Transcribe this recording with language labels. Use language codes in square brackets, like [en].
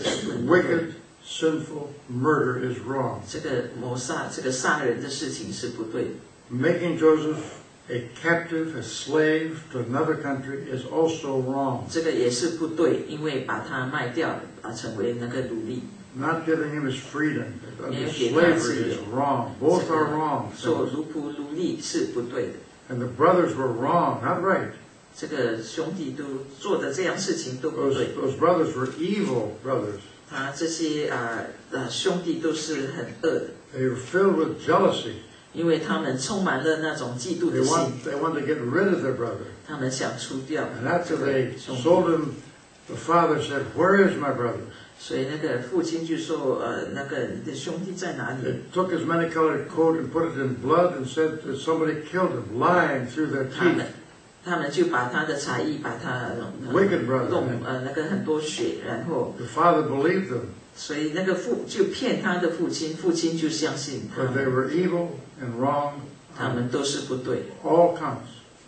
[en] Wicked, sinful murder is wrong. [zh] 这个谋杀，这个杀人的事情是不对。 [en] Making Joseph. A captive, a slave to another country is also wrong. [zh] 这个也是不对，因为把他卖掉，成为那个奴隶。 [en] Not giving him his freedom, slavery is wrong. Both are wrong. [zh] 做奴仆奴隶是不对的。 [en] And the brothers were wrong, not right. [zh] 这个兄弟都做的这样事情都不对。 [en] Those brothers were evil brothers. [zh] 他这些兄弟都是很恶的。 [en] They were filled with jealousy. [zh] 因为他们充满了那种嫉妒的心。 [en] They want to get rid of their brother. [zh] 他们想除掉。 [en] And after they sold him, the father said, "Where is my brother?" [zh] 所以那个父亲就说，那个你的兄弟在哪里？ [en] They took his many colored coat and put it in blood and said that somebody killed him, lying through their teeth. [zh] 他们就把他的彩衣把他 [en] wicked brother, [zh] 弄那个很多血，然后 [en] the father believed them. [zh] 所以那个父就骗他的父亲，父亲就相信他。 [en] But they were evil. And wrong, [zh] 他们都是不对。 [en] All counts.